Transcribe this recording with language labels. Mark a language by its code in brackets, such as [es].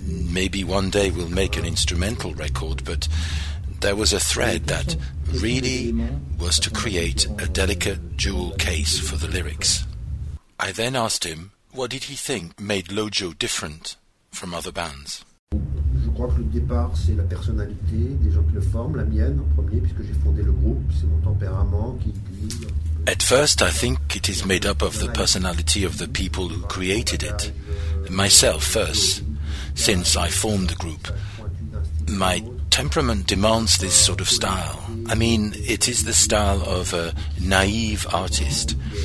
[en] Maybe one day we'll make an instrumental record, but there was a thread that really was to create a delicate jewel case for the lyrics. I then asked him what did he think made Lojo different from other bands. [fr] Je crois que le départ c'est la personnalité des gens qui le forment, la mienne en premier puisque j'ai fondé le groupe, c'est mon tempérament qui guide. [en] At first I think it is made up of the personality of the people who created it. Myself first, since I formed the group. My temperament demands this sort of style. I mean, it is the style of a naive artist.